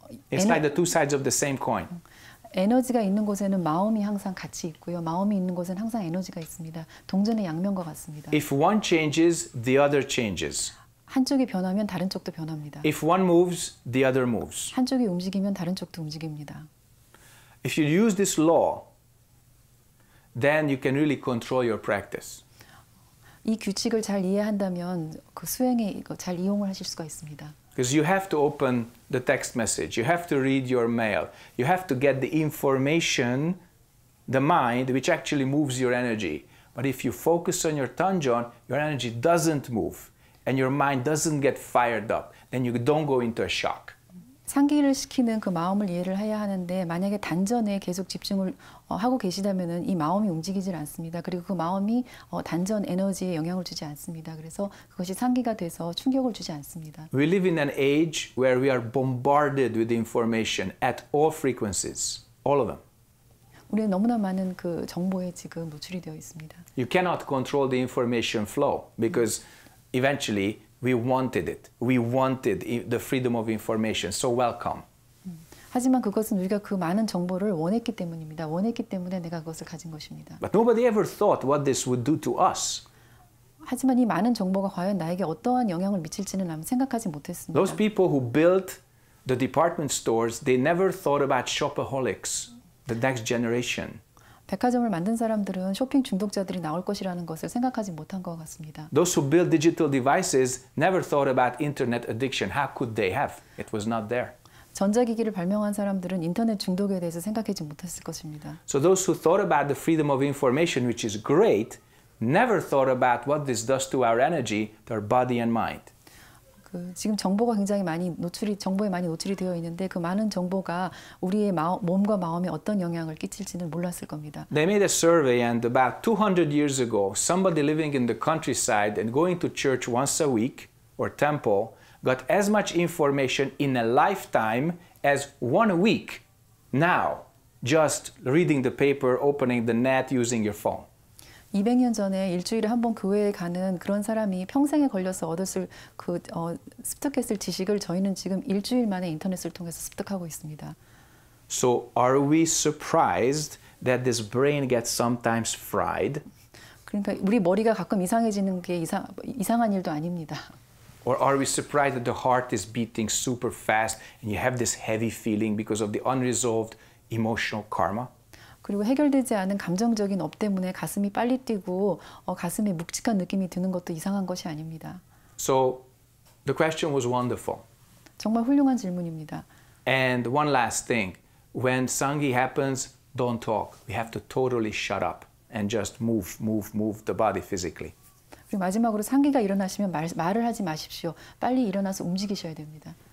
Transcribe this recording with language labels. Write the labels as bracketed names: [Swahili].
[English] It's like the two sides of the same coin. [Korean] 에너지가 있는 곳에는 마음이 항상 같이 있고요. 마음이 있는 곳에는 항상 에너지가 있습니다. 동전의 양면과 같습니다. [English] If one changes, the other changes. [Korean] 한쪽이 변하면 다른 쪽도 변합니다. [English] If one moves, the other moves. [Korean] 한쪽이 움직이면 다른 쪽도 움직입니다. [English] If you use this law, then you can really control your practice. [Korean] 이 규칙을 잘 이해한다면 그 수행에 이거 잘 이용을 하실 수가 있습니다. [English] Because you have to open the text message, you have to read your mail, you have to get the information, the mind, which actually moves your energy. But if you focus on your tanjon, your energy doesn't move. And your mind doesn't get fired up, then you don't go into a shock. [Korean] 상기를 시키는 그 마음을 이해를 해야 하는데 만약에 단전에 계속 집중을 하고 계시다면은 이 마음이 움직이질 않습니다. 그리고 그 마음이 단전 에너지에 영향을 주지 않습니다. 그래서 그것이 상기가 돼서 충격을 주지 않습니다. [English] We live in an age where we are bombarded with information at all frequencies, all of them. [Korean] 우리는 너무나 많은 그 정보에 지금 노출이 되어 있습니다. [English] You cannot control the information flow because Eventually, we wanted it. We wanted the freedom of information. So welcome. [Korean] 하지만 그것은 우리가 그 많은 정보를 원했기 때문입니다. 원했기 때문에 내가 그것을 가진 것입니다. [English] But nobody ever thought what this would do to us. [Korean] 하지만 이 많은 정보가 과연 나에게 어떠한 영향을 미칠지는 아무 생각하지 못했습니다. [English] Those people who built the department stores, they never thought about shopaholics, the next generation. [Korean] 백화점을 만든 사람들은 쇼핑 중독자들이 나올 것이라는 것을 생각하지 못한 것 같습니다. [English] Those who build digital devices never thought about internet addiction. How could they have? It was not there. [Korean] 전자기기를 발명한 사람들은 인터넷 중독에 대해서 생각하지 못했을 것입니다. [English] So those who thought about the freedom of information, which is great, never thought about what this does to our energy, their body and mind. [Korean] 그 지금 정보가 굉장히 많이 노출이 정보에 많이 노출이 되어 있는데 그 많은 정보가 우리의 몸과 마음에 어떤 영향을 끼칠지는 몰랐을 겁니다. [English] They made a survey and about 200 years ago, somebody living in the countryside and going to church once a week or temple got as much information in a lifetime as one week now, just reading the paper, opening the net, using your phone. [Korean] 200년 전에 일주일에 한 번 교회에 가는 그런 사람이 평생에 걸려서 얻었을 그 습득했을 지식을 저희는 지금 일주일 만에 인터넷을 통해서 습득하고 있습니다. [English] So are we surprised that this brain gets sometimes fried? [Korean] 그러니까 우리 머리가 가끔 이상해지는 게 이상한 일도 아닙니다. [English] Or are we surprised that the heart is beating super fast and you have this heavy feeling because of the unresolved emotional karma? [Korean] 그리고 해결되지 않은 감정적인 업 때문에 가슴이 빨리 뛰고 가슴에 묵직한 느낌이 드는 것도 이상한 것이 아닙니다. [English] So the question was wonderful. [Korean] 정말 훌륭한 질문입니다. [English] And one last thing. When Sanghi happens, don't talk. We have to totally shut up and just move the body physically. [Korean] 그리고 마지막으로 상기가 일어나시면 말을 하지 마십시오. 빨리 일어나서 움직이셔야 됩니다.